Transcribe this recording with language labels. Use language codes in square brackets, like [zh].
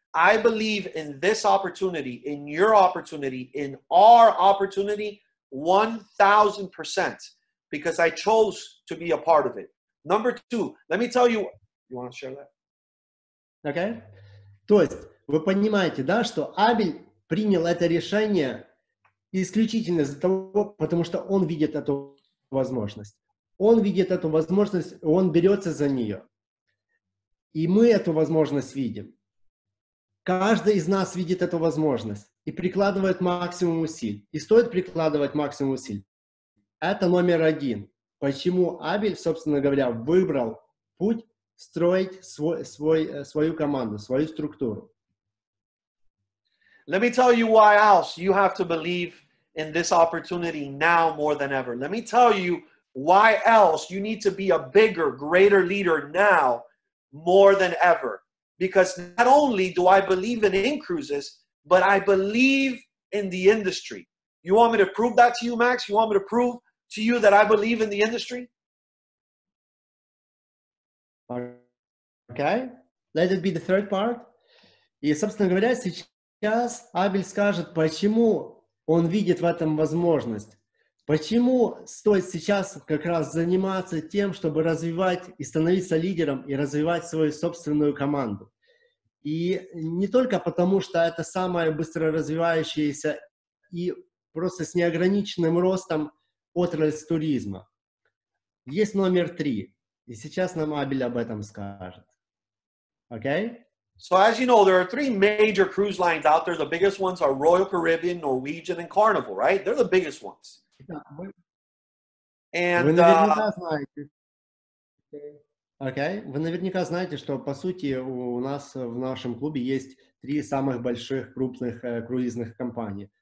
[en] I believe in this opportunity, in your opportunity, in our opportunity, 1000%, because I chose to be a part of it. Number two, let me tell you, you want to share that? Okay. [ru] То есть, вы понимаете, да, что Абель принял это решение исключительно из-за того, потому что он видит эту возможность. Он видит эту возможность, он берется за нее. И мы эту возможность видим. Каждый из нас видит эту возможность и прикладывает максимум усилий. И стоит прикладывать максимум усилий. Это номер один. Почему Абель, собственно говоря, выбрал путь строить свою команду, свою структуру. [en] Let me tell you why else you have to believe in this opportunity now more than ever. Let me tell you why else you need to be a bigger, greater leader now more than ever. Because not only do I believe in Incruises, but I believe in the industry. You want me to prove that to you, Max? You want me to prove to you that I believe in the industry? Okay, let it be the third part. [ru] И, собственно говоря, сейчас Абель скажет, почему он видит в этом возможность. Почему стоит сейчас как раз заниматься тем, чтобы развивать и становиться лидером, и развивать свою собственную команду. И не только потому, что это самая быстро развивающаяся и просто с неограниченным ростом отрасль туризма. Есть номер три. И сейчас нам Абель об этом скажет. [en] Okay? So as you know, there are three major cruise lines out there. The biggest ones are Royal Caribbean, Norwegian, and Carnival, right? They're the biggest ones. And, [ru] вы наверняка знаете. [en] Okay? [ru] Вы наверняка знаете, что по сути у нас в нашем клубе есть три самых больших крупных круизных компании.